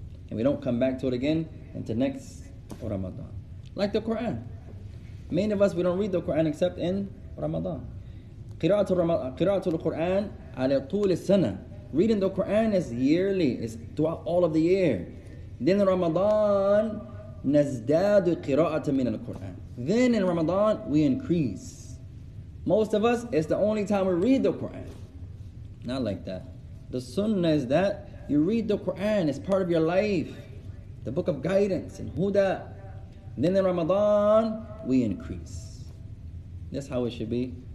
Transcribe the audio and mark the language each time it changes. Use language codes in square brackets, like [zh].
[en] And we don't come back to it again until next Ramadan. Like the Quran. Many of us, we don't read the Quran except in Ramadan. [ar] قراءة القرآن على طول السنة. [en] Reading the Quran is yearly, it's throughout all of the year. Then [ar] Ramadan, نزداد قراءة من القرآن. [en] Then in Ramadan, we increase. Most of us, it's the only time we read the Quran. Not like that. The sunnah is that you read the Quran, it's part of your life. The book of guidance and huda. Then in Ramadan, we increase. That's how it should be.